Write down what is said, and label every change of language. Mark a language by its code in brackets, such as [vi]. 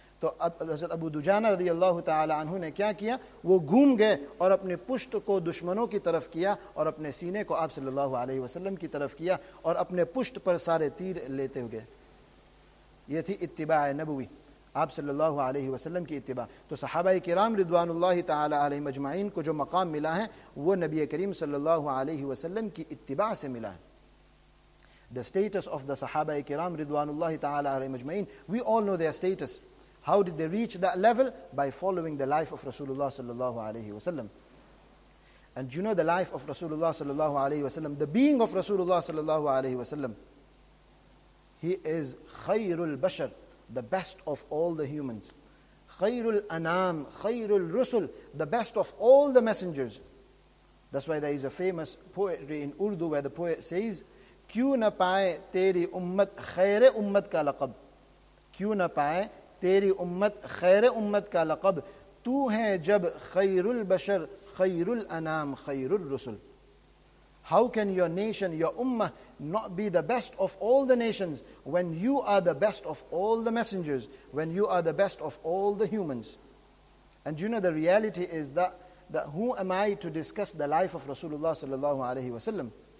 [ur] تو حضرت ابو دجانہ رضی اللہ تعالی عنہ نے کیا کیا, وہ گھوم گئے اور اپنے پشت کو دشمنوں کی طرف کیا اور اپنے سینے کو آپ صلی اللہ علیہ وسلم کی طرف کیا اور اپنے پشت پر سارے تیر لیتے ہوئے. یہ تھی اتباع نبوی, آپ صلی اللہ علیہ وسلم کی اتباع. تو صحابہ کرام رضوان اللہ تعالی علیہ مجمعین کو جو مقام ملا ہے وہ نبی کریم صلی اللہ علیہ وسلم کی اتباع سے ملا ہے. [en] The status of the صحابہ کرام رضوان اللہ تعالی علیہ مجمعین, we all know their status. How did they reach that level? By following the life of Rasulullah sallallahu alayhi wa sallam. And you know the life of Rasulullah sallallahu alayhi wa sallam, the being of Rasulullah sallallahu alayhi wa sallam. He is khayrul bashar, the best of all the humans. Khayrul anam, khayrul rusul, the best of all the messengers. That's why there is a famous poetry in Urdu where the poet says, kyun na paaye teri ummat khayre ummat ka laqab. [ur] Kyun na paaye تیری امت خیر امت کا لقب, تو ہے جب خیر البشر خیر الانام خیر الرسل. [en] How can your nation, your ummah not be the best of all the nations when you are the best of all the messengers, when you are the best of all the humans? And you know the reality is that who am I to discuss the life of Rasulullah sallallahu alayhi wasallam?